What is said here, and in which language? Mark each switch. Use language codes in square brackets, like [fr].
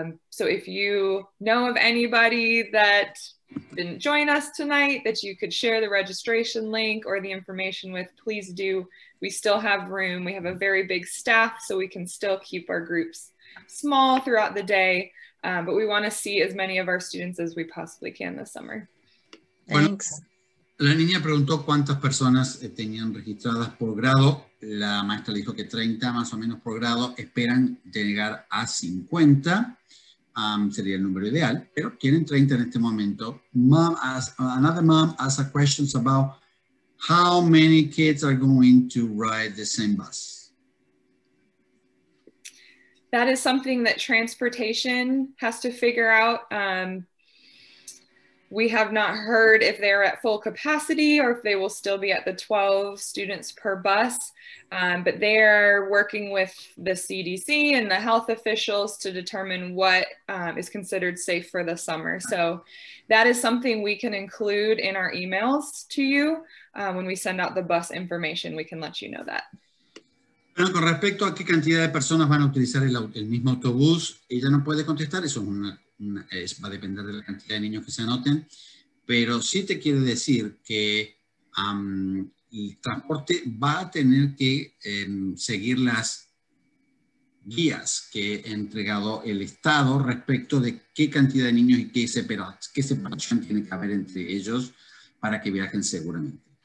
[en] So if you know of anybody that didn't join us tonight that you could share the registration link or the information with, please do. We still have room. We have a very big staff, so we can still keep our groups small throughout the day, but we want to see as many of our students as we possibly can this summer. Thanks. [es] La niña preguntó cuántas personas tenían registradas por grado. La maestra le dijo que 30 más o menos por grado, esperan llegar a 50. Sería el número ideal, pero tienen 30 en este momento. [en] Another mom asked questions about how many kids are going to ride the same bus. That is something that transportation has to figure out. We have not heard if they're at full capacity or if they will still be at the 12 students per bus, but they're working with the CDC and the health officials to determine what is considered safe for the summer. So that is something we can include in our emails to you. When we send out the bus information, we can let you know that. [es] Bueno, con respecto a qué cantidad de personas van a utilizar el mismo autobús, ella no puede contestar, eso es una... Es, va a depender de la cantidad de niños que se anoten, pero sí te quiere decir que el transporte va a tener que seguir las guías que ha entregado el Estado respecto de qué cantidad de niños y qué separación tiene que haber entre ellos para que viajen seguramente.